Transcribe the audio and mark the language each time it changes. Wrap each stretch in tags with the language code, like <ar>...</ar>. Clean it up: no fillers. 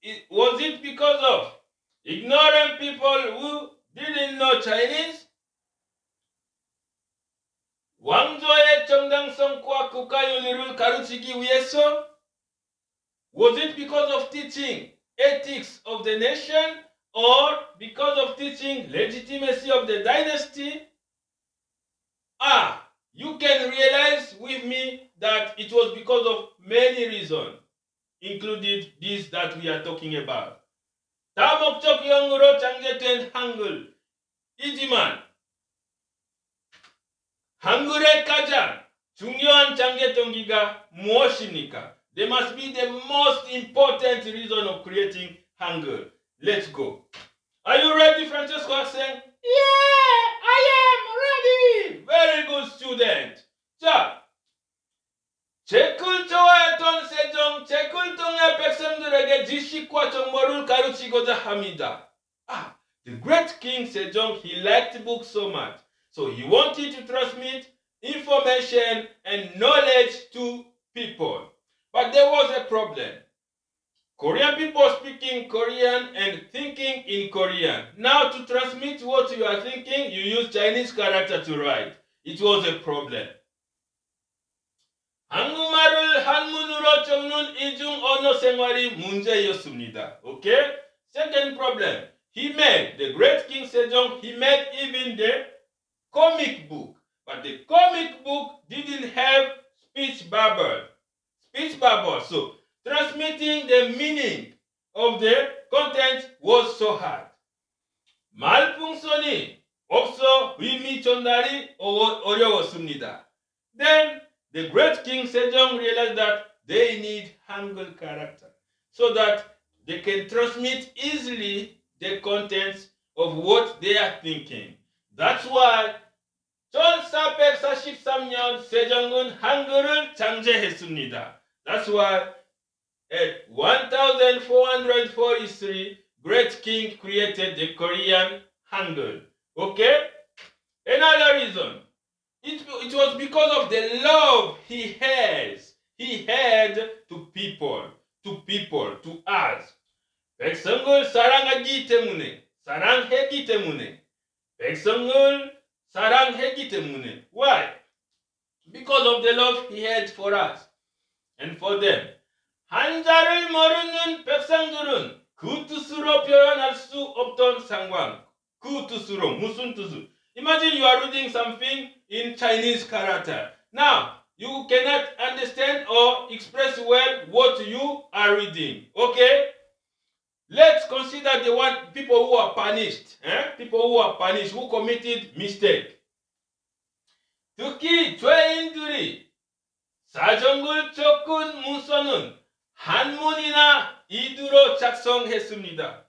<en>Was it because of ignorant people who didn't know Chinese?</en> <ko>왕조의 정당성과 국가윤리를 가르치기 위해서?</ko> <en>Was it because of teaching ethics of the nation or because of teaching legitimacy of the dynasty? You can realize with me that it was because of many reasons, including this that we are talking about.</en> <ko>다 목적형으로 창제된 한글이지만, 한글의 가장 중요한 창제 동기가 무엇입니까?</ko> <en>There must be the most important reason of creating Hangul. Let's go. Are you ready, Francesco 학생? Yeah, I am ready. Very good student.</en> <ko>자, 제쿨 좋아했던 세종 제쿨동의 백성들에게 지식과 정보를 가르치고자 합니다.</ko> <en>The great king Sejong, he liked books so much. So he wanted to transmit information and knowledge to people. But there was a problem. Korean people speaking Korean and thinking in Korean. Now to transmit what you are thinking, you use Chinese character to write. It was a problem.</en> <ko>한국말을 한문으로 적는 이중 언어 생활이 문제였습니다.</ko> <en>Okay? Second problem. The great King Sejong made even the comic book. But the comic book didn't have speech bubble. So, transmitting the meaning of the content was so hard.</en> <ko>말풍선이 없어 의미 전달이 어려웠습니다.</ko> <en>Then, the great king Sejong realized that they need Hangul character so that they can transmit easily the contents of what they are thinking. That's why</en> <ko>1443년 세종은 한글을 창제했습니다.</ko> <en>That's why at 1443, Great King created the Korean Hangul. Okay? Another reason. It was because of the love he had to us.</en> <ko>백성을 사랑했기 때문에.</ko> <en>Why? Because of the love he had for us. And for them,</en> <ko>한자를 모르는 백성들은 그 뜻으로 표현할 수 없던 상황. 그 뜻으로, 무슨 뜻으로?</ko> <en>Imagine you are reading something in Chinese character. Now, you cannot understand or express well what you are reading. Okay? Let's consider the one people who are punished. People who are punished, who committed mistake.</en> <ko>특히 죄인들이 사정을 적은 문서는 한문이나 이두로 작성했습니다.</ko>